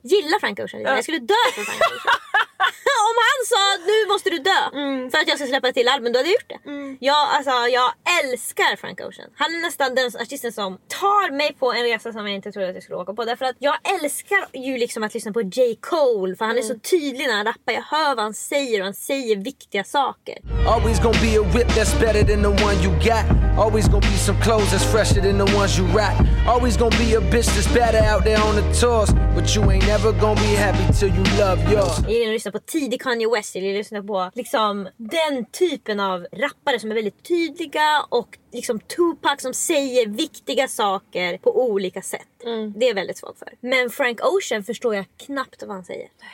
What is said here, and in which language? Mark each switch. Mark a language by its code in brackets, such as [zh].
[sv] Gillar Frank Ocean, jag skulle dö för Frank Ocean. Om han sa nu måste du dö för att jag ska släppa till album, då hade jag gjort det. Jag älskar Frank Ocean. Han är nästan den artisten som tar mig på en resa som jag inte trodde att jag skulle åka på. Därför att jag älskar ju liksom att lyssna på J. Cole, för han är så tydlig när han rappar. Jag hör vad han säger, och han säger viktiga saker. [en] Always gonna be a whip that's better than the one you got. Always gonna be some clothes that's fresher than the ones you rock. Always gonna be a bitch that's better out there on the tours. But you ain't never gonna be happy till you love yours. [sv] Lyssna på tidig Kanye West, eller lyssna på liksom den typen av rappare som är väldigt tydliga, och liksom Tupac som säger viktiga saker på olika sätt. Det är väldigt svårt för. Men Frank Ocean förstår jag knappt vad han säger.